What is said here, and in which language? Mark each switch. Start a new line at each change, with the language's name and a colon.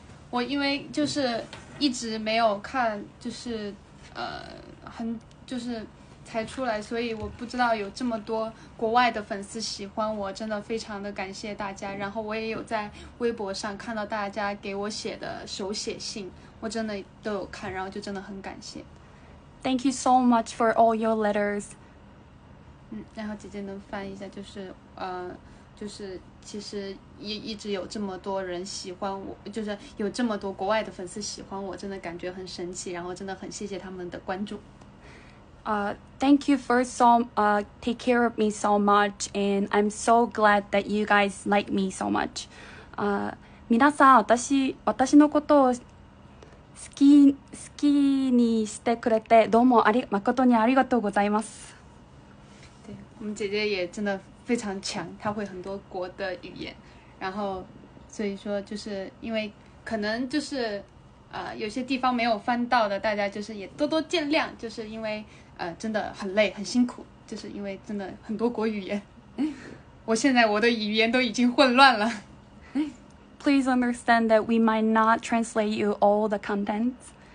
Chinese: 我因为就是一直没有看，就是很就是才出来，所以我不知道有这么多国外的粉丝喜欢我，真的非常的感谢大家。然后我也有在微博上看到大家给我写的手写信，我真的都有看，然后就真的很感谢。
English: Thank you so much for all your letters.
Chinese: 然后姐姐能翻一下，就是就是其实一直有这么多人喜欢我，就是有这么多国外的粉丝喜欢我，真的感觉很神奇，然后真的很谢谢他们的关注。
English: Thank you for so take care of me so much, and I'm so glad that you guys like me so much.
Japanese: 皆さん、私のことを好きにしてくれて、どうも誠にありがとうございます。
Chinese: 对，我们姐姐也真的非常强，她会很多国的语言，然后所以说就是因为可能就是有些地方没有翻到的，大家就是也多多见谅，就是因为真的很累很辛苦，就是因为真的很多国语言，我现在我的语言都已经混乱了。
English: Please understand that we might not translate you all the contents.